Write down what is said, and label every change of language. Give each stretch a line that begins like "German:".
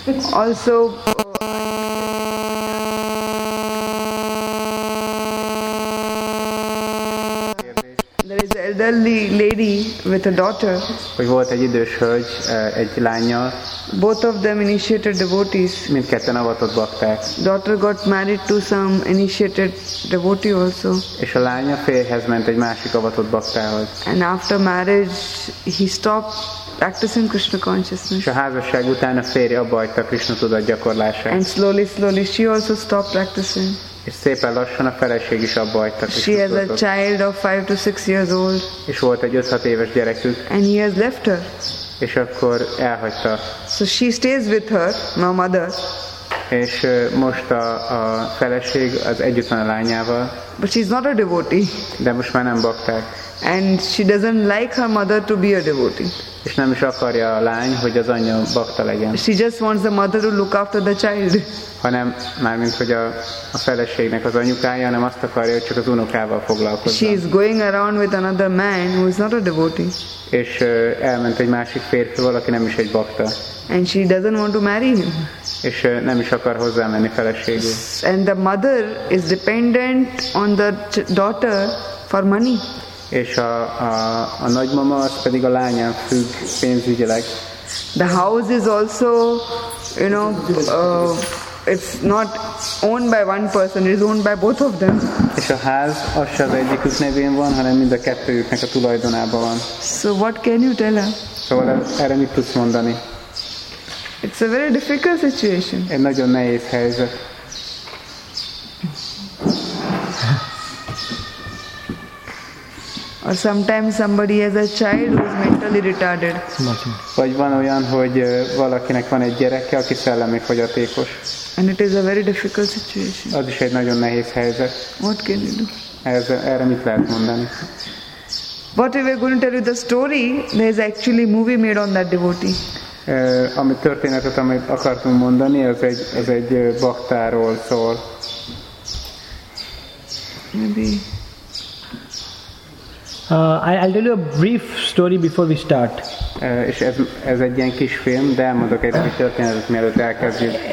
English: Also, elderly lady with a daughter.
Hungarian: Hogy volt egy idős hölgy egy lányjal.
English: Both of them initiated devotees.
Hungarian: Mindketten avatott bakták.
English: Daughter got married to some initiated devotee also.
Hungarian: És a lánya férjhez ment egy másik avatott baktához.
English: And after marriage he stopped practicing Krishna consciousness.
Hungarian: És a házasság után a férje abbahagyta a Krishna tudat gyakorlását.
English: And slowly she also stopped practicing.
Hungarian: És szépen lassan a feleség is abba hagyta.
English: She has a child of 5 to 6 years old.
Hungarian: És volt egy 5-6 éves gyerekük.
English: And he has left her.
Hungarian: És akkor elhagyta.
English: So she stays with her, my mother.
Hungarian: És most a feleség az együtt van a lányával.
English: But she's not a devotee.
Hungarian: De most már nem bakták.
English: And she doesn't like her mother to be a devotee.
Hungarian: És nem is akarja a lány, hogy az anyja bakta legyen.
English: She just wants the mother to look after the child.
Hungarian: Hanem mármint, hogy a feleségnek az anyukája, hanem azt akarja, hogy csak az unokával foglalkozzon.
English: She is going around with another man who is not a devotee.
Hungarian: És elment egy másik férfival, aki nem is egy bakta.
English: And she doesn't want to marry him.
Hungarian: És nem is akar hozzá menni feleségül.
English: And the mother is dependent on the daughter for money.
Hungarian: És a nagymama az pedig a lányán függ pénzügyileg.
English: The house is also, you know, it's not owned by one person, it's owned by both of them.
Hungarian: És a ház az se az egyikük nevén van, hanem mind a kettőjüknek a tulajdonában van.
English: So what can you tell her?
Hungarian: Szóval erre mit tudsz mondani?
English: It's a very difficult situation.
Hungarian: Egy nagyon nehéz helyzet.
English: Or sometimes somebody has a child who is mentally retarded.
Hungarian: Vagy van olyan, hogy valakinek van egy gyereke, aki szellemi fogyatékos.
English: And it is a very difficult situation.
Hungarian: Az is egy nagyon nehéz helyzet.
English: What can you do?
Hungarian: Erre mit lehet mondani?
English: What we were going to tell you the story, there is actually movie made on that devotee.
Hungarian: Ami történetet, amit akartunk mondani, az egy baktáról szól. Maybe. I'll tell you a brief story before we start. És ez egy ilyen kis film, de elmondok egy kis történetet, mielőtt elkezdjük.